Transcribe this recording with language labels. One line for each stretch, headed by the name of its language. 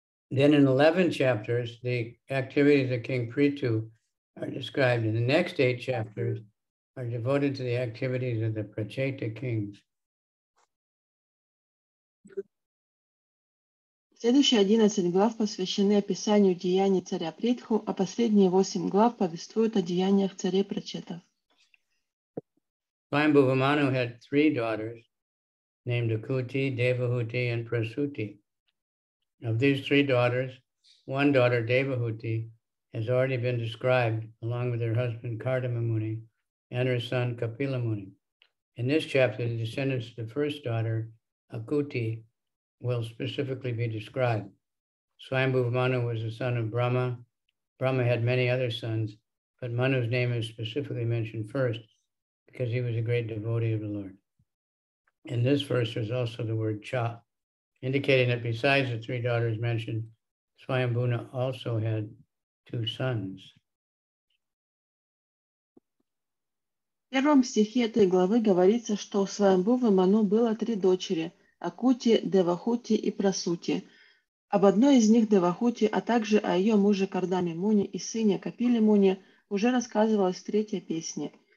English: Then in 11 chapters, the activities of King Prithu are described. In the next 8 chapters are devoted to the activities of the Pracheta kings.
Russian: Следующие 11 глав посвящены описанию деяний царя Притху, а последние 8 глав повествуют о деяниях царей Прачетов.
English: Svayambhuva Manu had three daughters named Akuti, Devahuti, and Prasuti. Of these three daughters, one daughter, Devahuti, has already been described along with her husband, Kardama Muni, and her son, Kapila Muni. In this chapter, the descendants of the first daughter, Akuti, will specifically be described. Svayambhuva Manu was the son of Brahma. Brahma had many other sons, but Manu's name is specifically mentioned first because he was a great devotee of the Lord. In this verse, there's also the word cha, indicating that besides the three daughters mentioned, Svayambhuna also had two sons.
Russian: В первом стихе этой главы говорится, что у Свайамбувы Ману было три дочери – Акути, Девахути и Прасути. Об одной из них, Девахути, а также о ее муже Кардаме Муни и сыне Капиле Муни уже рассказывалось в третьей песне.